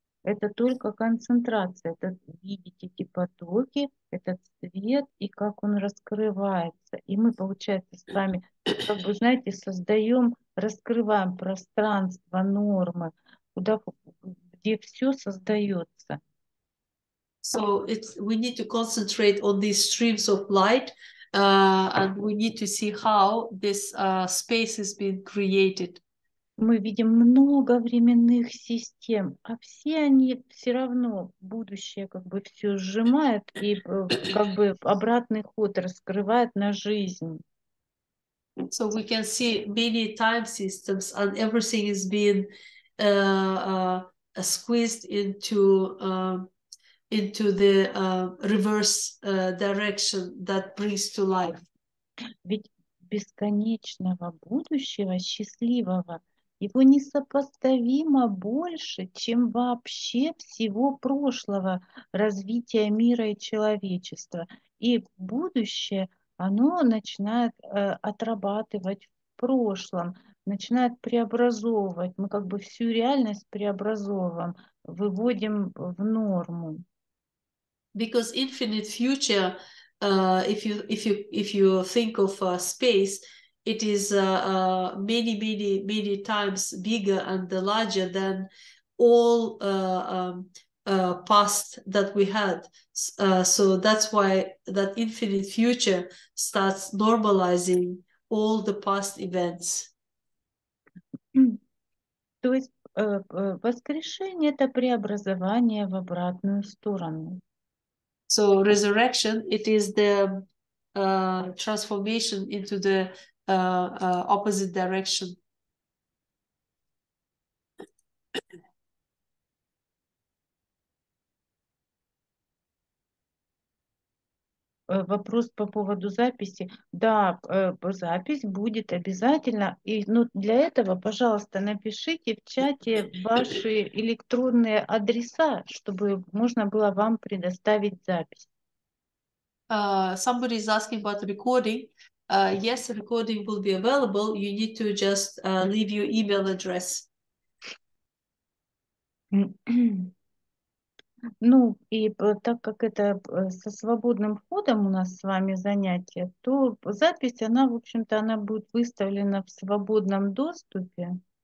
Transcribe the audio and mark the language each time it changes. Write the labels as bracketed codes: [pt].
[ru] Это только концентрация, это видите эти потоки, этот свет и как он раскрывается. И мы, получается, с вами, как бы, знаете, создаем, раскрываем пространство, нормы, куда, где все создается. [en] So it's, we need to concentrate on these streams of light, and we need to see how this space has been created. [ru] Мы видим много временных систем, а все они все равно будущее как бы все сжимает и как бы обратный ход раскрывает на жизнь. [en] So we can see many time systems and everything is being squeezed into the reverse direction that brings to life. [ru] Ведь бесконечного будущего счастливого его несопоставимо больше, чем вообще всего прошлого развития мира и человечества. И будущее, оно начинает отрабатывать в прошлом, начинает преобразовывать. Мы как бы всю реальность преобразовываем, выводим в норму. [en] Because infinite future, if you think of space, it is many times bigger and larger than all past that we had. So that's why that infinite future starts normalizing all the past events. [ru] То есть воскрешение – это преобразование в обратную сторону. [en] So resurrection, it is the transformation into the opposite direction. [ru] Вопрос по поводу записи. Да, запись будет обязательно. И, ну, для этого, пожалуйста, напишите в чате ваши электронные адреса, чтобы можно было вам предоставить запись. [en] Somebody is asking about recording. Yes, recording will be available. You need to just leave your email address. [ru] Ну, и так как это со свободным входом у нас с вами занятие, то запись, она, в общем-то, она будет выставлена в свободном доступе.